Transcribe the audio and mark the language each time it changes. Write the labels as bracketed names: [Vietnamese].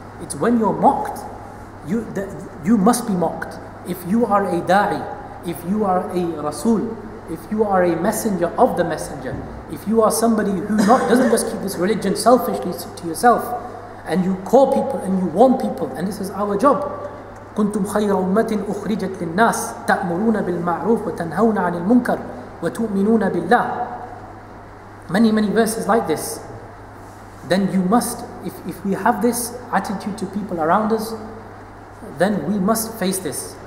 [English] It's when you're mocked, you must be mocked. If you are a da'i, if you are a Rasul, if you are a messenger of the messenger, if you are somebody who doesn't just keep this religion selfishly to yourself, and you call people and you warn people, and this is our job. [Arabic] كنتم خير أمة أخرجت للناس تأمرون بالمعروف وتنهون عن المنكر وتؤمنون بالله. [English] Many verses like this. Then you must, if we have this attitude to people around us, then we must face this.